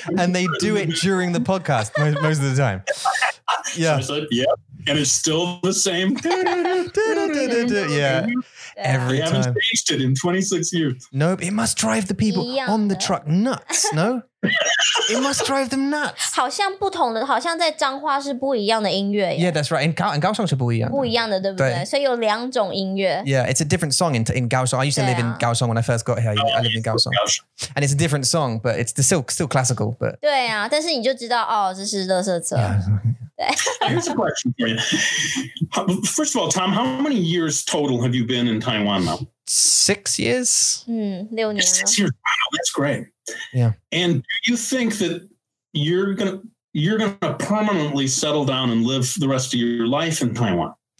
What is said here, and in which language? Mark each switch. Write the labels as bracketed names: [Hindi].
[English] And they do it during the podcast most of the time. Yeah. So I said, yeah. And it's still the same. Yeah. Every time. They haven't changed it in 26 years. Nope. It must drive the people on the truck nuts, no? It must drive them nuts. [Chinese] 好像在彰化是不一样的音乐。 [English] Yeah, that's right. In [Chinese] Kaohsiung是不一样的。不一样的,对不对?所以有两种音乐。 [English] Yeah, it's a different song in Kaohsiung. I used to live in Kaohsiung when I first got here. I live in Kaohsiung. And it's a different song, but it's still classical. [Chinese] 对啊,但是你就知道,哦,这是垃圾车。 [English] Here's a question for you. First of all, Tom, how many years total have you been in Taiwan now? 6 years. Mm, 6 years. Wow, that's great. Yeah. And do you think that you're gonna permanently settle down and live the rest of your life in Taiwan?